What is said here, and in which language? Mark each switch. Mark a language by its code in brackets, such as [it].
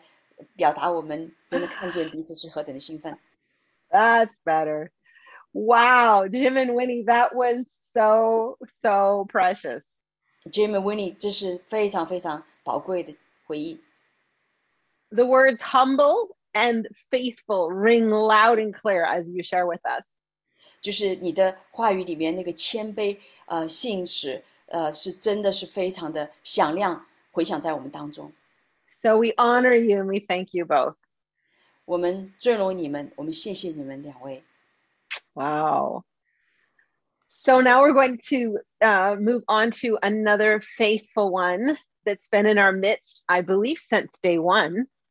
[zh] 我们就可以来拍手，我们来表达我们真的看见彼此是何等的兴奋。 [en] That's better. Wow, Jim and Winnie, that was so, so precious. [zh] Jim and Winnie, 这是非常非常宝贵的回忆。 [en] The words humble and faithful ring loud and clear as you share with us. [zh] 就是你的话语里面那个谦卑，信实，是真的是非常的响亮，回响在我们当中。 [en] So we honor you and we thank you both. [zh] 我们尊荣你们，我们谢谢你们两位。 [en] Wow. So now we're going to move on to another faithful one that's been in our midst, I believe, since day one.